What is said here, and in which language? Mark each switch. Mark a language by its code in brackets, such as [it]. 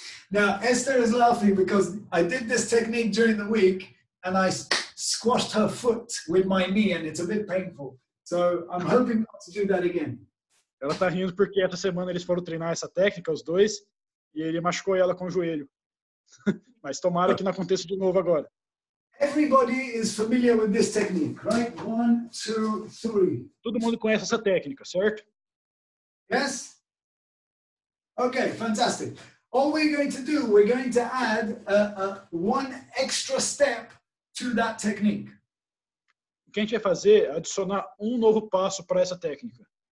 [en] Now, Esther is laughing because I did this technique during the week and I squashed her foot with my knee and it's a bit painful. So I'm hoping not to do that again. [pt] Ela está rindo porque essa semana eles foram treinar essa técnica, os dois, e ele machucou ela com o joelho. Mas tomara que não aconteça de novo agora. [en] Everybody is familiar with this technique, right? One, two, three. [pt] Todo mundo conhece essa técnica, certo? [en] Yes? Okay, fantastic. All we're going to do, we're going to add one extra step to that technique. [pt] O que a gente vai fazer é adicionar um novo passo para essa técnica.